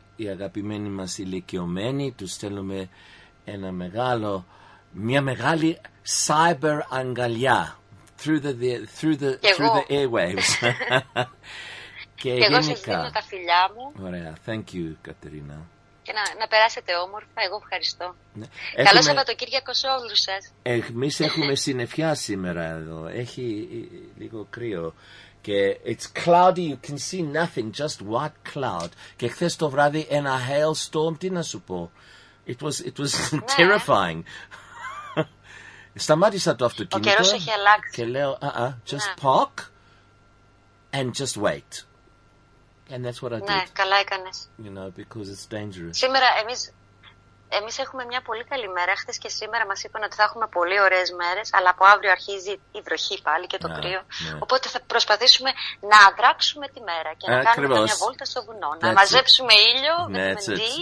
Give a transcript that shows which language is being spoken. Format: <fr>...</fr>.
<el>η αγαπημένη μας ηλικιωμένη, του στέλνουμε ένα μεγάλο, μια μεγάλη cyber αγκαλιά</el> <en>through the airwaves.</en> <el>Και εγώ σας δίνω τα φιλιά μου. Ωραία,</el> <en>thank you, Κατερίνα.</en> <el>Και να περάσετε όμορφα, εγώ ευχαριστώ. Καλό Σαββατοκύριακο σε όλους σας. Εμείς έχουμε συννεφιά σήμερα εδώ. Έχει λίγο κρύο. Και</el> <en>it's cloudy, you can see nothing, just white cloud.</en> <el>Και χθες το βράδυ ένα hailstorm, τι να σου πω.</el> <en>It was terrifying.</en> <el>Σταμάτησα το αυτοκίνητο. Ο καιρός έχει αλλάξει. Και λέω,</el> <en>just park and just wait. And that's what I did.</en> <el>Ναι, καλά έκανες.</el> <en>You know, because it's dangerous.</en> <el>Σήμερα εμείς έχουμε μια πολύ καλή μέρα. Χθες και σήμερα μας είπαν ότι θα έχουμε πολύ ωραίες μέρες, αλλά από αύριο αρχίζει η βροχή πάλι και το κρύο. Ναι. Οπότε θα προσπαθήσουμε να αδράξουμε τη μέρα και να κάνουμε μια βόλτα στο βουνό.</el> <en>That's</en> <el>να μαζέψουμε ήλιο,</el> <en>vitamin D,</en>